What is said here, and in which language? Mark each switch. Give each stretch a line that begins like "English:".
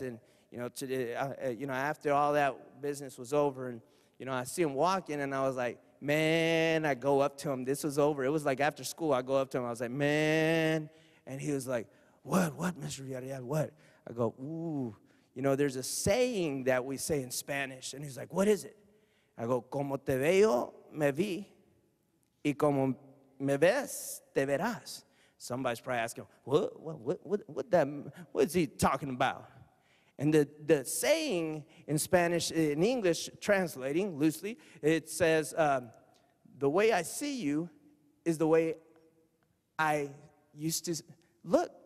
English: And, you know, after all that business was over, and, you know, I see him walking, and I was like, man, I go up to him. This was over. It was like after school. I go up to him. I was like, man. And he was like, what, Mr. Villarreal, what? I go, ooh. You know, there's a saying that we say in Spanish, and he's like, what is it?
Spanish: I go, como te veo, me vi, y como me ves, te verás.
English: Somebody's probably asking, what is he talking about? And the saying in Spanish, in English, translating loosely, it says, the way I see you is the way I used to look.